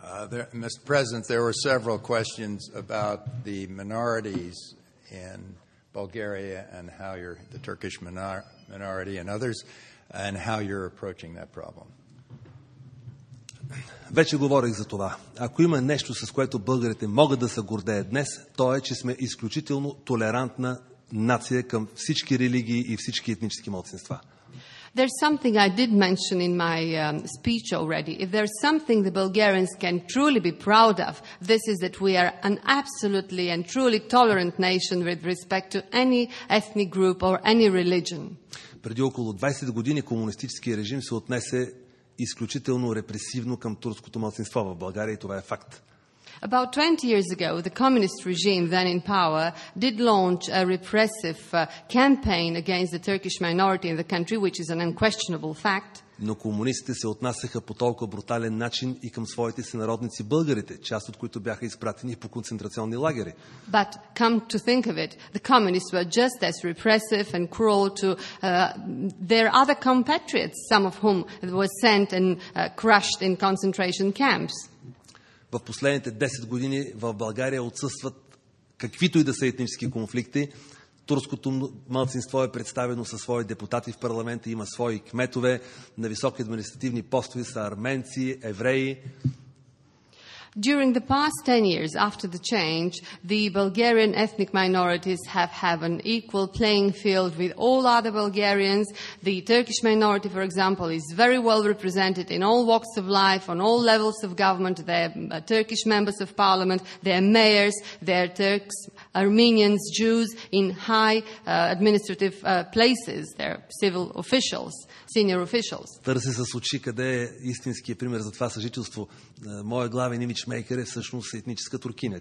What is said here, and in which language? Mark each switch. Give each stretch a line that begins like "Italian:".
English: There, Mr. President, there were several questions about the minorities in Bulgaria and how you're the Turkish minority and others, and how you're approaching that problem.
Bulgarian: Вече говорих за това. Ако има нещо, с което българите могат да се гордеят днес, то е, че сме изключително толерантна нация към всички религии и всички етнически малцинства.
English: There's something I did mention in my speech already. If there's something the Bulgarians can truly be proud of, this is that we are an absolutely and truly tolerant nation with respect to any ethnic group or any religion.
Bulgarian: Преди около 20 години комунистическият режим се отнесе изключително репресивно към турското малцинство в България и това е факт.
English: About 20 years ago, the communist regime then in power did launch a repressive campaign against the Turkish minority in the country, which is an unquestionable fact.
Bulgarian: Но комунистите се отнасяха по толкова брутален начин и към своите сънародници българите, част от които бяха изпратени по концентрационни лагери.
English: But come to think of it, the communists were just as repressive and cruel to their other compatriots, some of whom were sent and crushed in concentration camps.
Bulgarian: В последните 10 години в България отсъстват каквито и да са етнически конфликти. Турското малцинство е представено със свои депутати в парламента, има свои кметове, на високи административни постове са арменци, евреи.
English: During the past 10 years after the change, the Bulgarian ethnic minorities have an equal playing field with all other Bulgarians. The Turkish minority, for example, is very well represented in all walks of life, on all levels of government. They are Turkish members of parliament, they are mayors, they are Turks, Armenians, Jews in high administrative places, they are civil officials, senior officials.
Bulgarian: Търси с очи къде е истинският пример за това съжителство. Моя главен имидж мейкър е всъщност етническа туркиня.